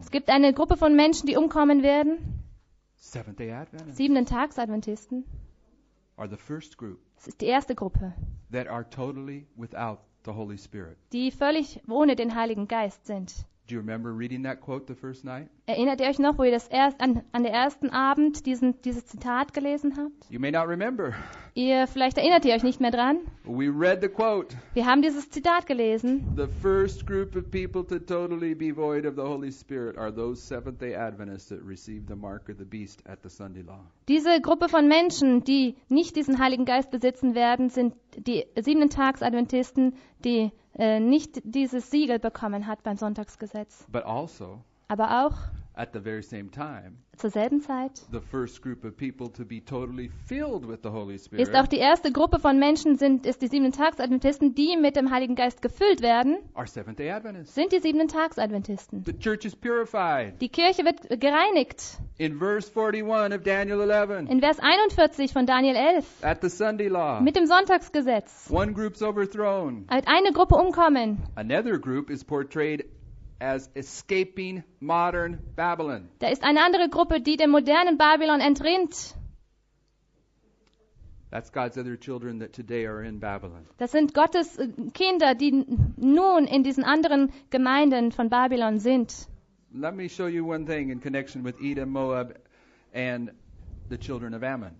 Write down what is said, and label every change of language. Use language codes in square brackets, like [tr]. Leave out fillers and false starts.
[de] Es gibt eine Gruppe von Menschen, die umkommen werden. [en] Seventh-day Adventists. [de] Siebenten Tags Adventisten. [en] Are the first group. [de] Es ist die erste Gruppe. [en] That are totally without the Holy Spirit. [de] Die völlig ohne den Heiligen Geist sind. [en] Do you remember reading that quote the first night? [de] Erinnert ihr euch noch, wo ihr das an der ersten Abend dieses Zitat gelesen habt? [en] You may not remember. [de] Ihr vielleicht erinnert ihr euch nicht mehr dran. [en] We read the quote. [de] Wir haben dieses Zitat gelesen. [en] The first group of people to totally be void of the Holy Spirit are those Seventh-day Adventists that receive the mark of the beast at the Sunday law. [de] Diese Gruppe von Menschen, die nicht diesen Heiligen Geist besitzen werden, sind die siebenten Tags Adventisten, die nicht dieses Siegel bekommen hat beim Sonntagsgesetz. [en] But also, [de] aber auch [en] at the very same time, [de] zur selben Zeit [en] the first group of people to be totally filled with the Holy Spirit, [de] ist auch die erste Gruppe von Menschen ist die siebenten Tags Adventisten, die mit dem Heiligen Geist gefüllt werden, [en] are Seventh-day Adventists. [de] Sind die siebenten Tags Adventisten. [en] The church is purified. [de] Die Kirche wird gereinigt. [en] In verse 41 of Daniel 11. [de] In Vers 41 von Daniel 11. [en] At the Sunday law. [de] Mit dem Sonntagsgesetz. [en] One group's overthrown. [de] Hat eine Gruppe umkommen. [en] Another group is portrayed as escaping modern Babylon. [de] Da ist eine andere Gruppe, die dem modernen Babylon entrinnt. [en] That's God's other children that today are in Babylon. [de] Das sind Gottes Kinder, die nun in diesen anderen Gemeinden von Babylon sind. [en] Let me show you one thing in connection with Edom, Moab and the children of Ammon.